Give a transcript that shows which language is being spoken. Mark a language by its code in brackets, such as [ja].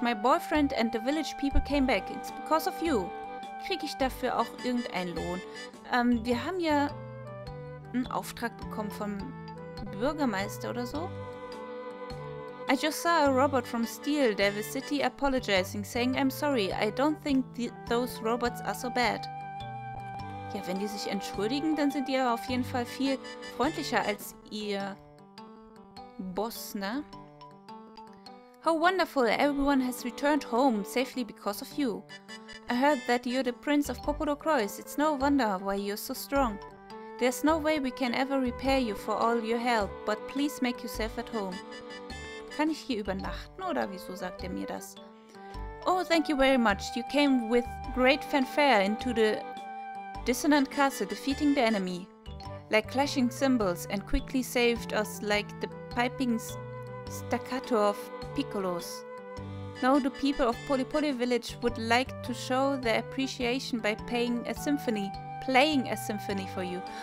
[en] My boyfriend and the village people came back. It's because of you. [de] Kriege ich dafür auch irgendeinen Lohn? Wir haben ja einen Auftrag bekommen vom Bürgermeister oder so. [en] I just saw a robot from Steel Devil City apologizing, saying I'm sorry. I don't think those robots are so bad. [de] Ja, wenn die sich entschuldigen, dann sind die aber auf jeden Fall viel freundlicher als ihr Boss, ne? [en] How wonderful! Everyone has returned home safely because of you. I heard that you're the Prince of Popolo Croix. It's no wonder why you're so strong. There's no way we can ever repay you for all your help, but please make yourself at home. [de] Kann ich hier übernachten oder wieso sagt er mir das? [en] Oh, thank you very much. You came with great fanfare into the Dissonant Castle, defeating the enemy. Like clashing cymbals and quickly saved us like the piping staccato of piccolos. Now the people of Polypoly Village would like to show their appreciation by playing a symphony for you.